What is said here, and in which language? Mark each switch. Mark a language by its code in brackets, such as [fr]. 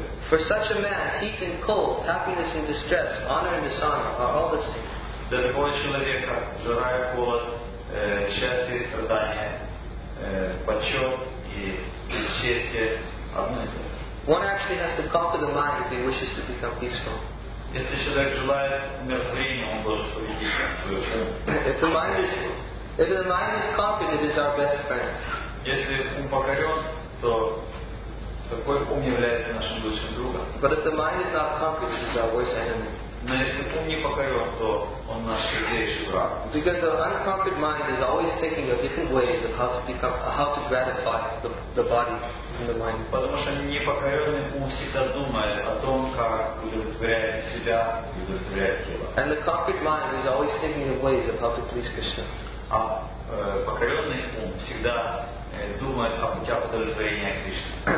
[en] For such a man, heat and cold, happiness and distress, honor and dishonor are all the same. [ru] Для такого человека, жара и холод, счастье и страдания, почет и бесчестие одно и то же. [en] One actually has to conquer the mind if he wishes to become peaceful. [ru] Если человек желает умиротворения, он должен победить свою жизнь. [en] If the mind is conquered, it is our best friend. [ru] Если ум покорен, то такой ум является нашим лучшим другом. [en] But if the mind is not conquered, it is our worst enemy. [ru] Но если ум не покорен, то он наш сердечный враг. [en] Because the unconquered mind is always thinking of different ways of how to become, how to gratify the body and the mind. [ru] Потому что непокоренный ум всегда думает о том, как удовлетворять себя, удовлетворять тело. [en] And the conquered mind is always thinking of ways of how to please Krishna. [ru] А покоренный ум всегда думает о путях удовлетворения Кришны.